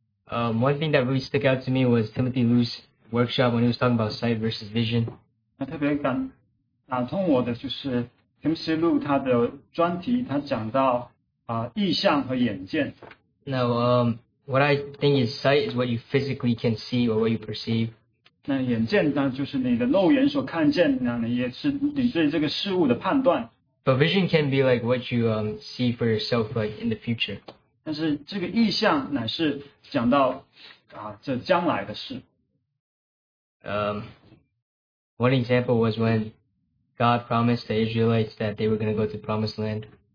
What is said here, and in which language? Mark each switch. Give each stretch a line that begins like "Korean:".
English: One thing that really stuck out to me was Timothy Liu's workshop when he was talking about sight versus vision.
Chinese: 特别打通我的就是 Timothy Liu他的专题, 他讲到, 意象和眼见。
English: Now, what I think is sight is what you physically can see or what you perceive.
Chinese: 那眼见当然就是你的肉眼所看见, 也是你对这个事物的判断。
English: But vision can be like what you see for yourself like in the future.
Chinese: 但是这个意象乃是讲到, 这将来的事。
English: One example was when God promised the Israelites that they were going to go to the promised land.